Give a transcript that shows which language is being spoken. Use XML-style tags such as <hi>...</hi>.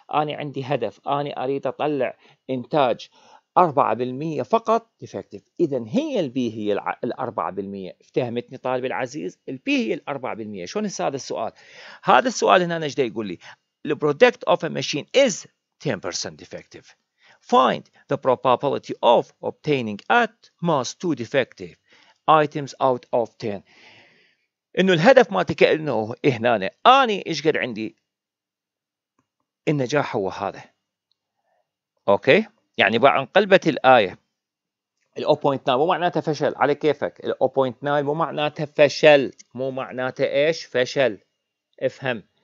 <ar>أنا عندي هدف، أنا أريد أطلع إنتاج 4% فقط ديفكتيف، إذا هي البي هي الـ4%. افتهمتني طالب العزيز؟ البي هي الـ4%. شلون هذا السؤال؟ هذا السؤال هنا نجد يقول لي</ar> <en>the product of a machine is 10% defective. Find the probability of obtaining at most two defective items out of 10.</en> <ar>إنه الهدف ما تكأنه هنا، أنا إيش قد عندي؟ النجاح هو هذا. أوكي؟ يعني بقى انقلبت الآية. الـ 0.9 مو معناته فشل، على كيفك. الـ 0.9 مو معناته فشل، مو معناته إيش؟ فشل. افهم.</ar>